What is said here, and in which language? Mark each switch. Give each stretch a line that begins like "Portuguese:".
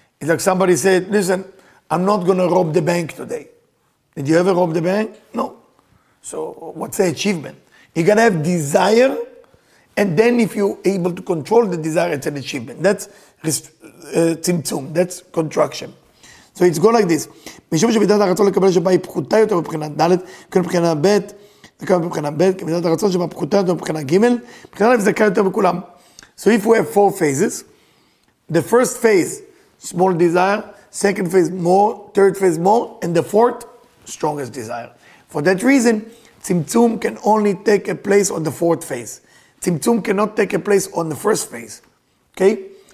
English: It's like somebody said, listen, I'm not going to rob the bank today. Did you ever rob the bank? No. So what's the achievement? You're going to have desire, and then if you're able to control the desire, it's an achievement. That's tzimtzum, that's contraction. So it's going like this.
Hebrew: משום שמידת הרצון לקבל שבה היא פחותה יותר מבחינת ד' כאילו מבחינה ב' וכאילו מבחינה ב' כמידת הרצון שבה פחותה יותר מבחינה ג' מבחינה ל' זקה יותר בכולם.
English: So if we have four phases, the first phase, small desire, second phase more, third phase more, and the fourth, strongest desire. For that reason, tzimtzum can only take a place on the fourth phase. Tzimtzum cannot take a place on the first phase. Okay?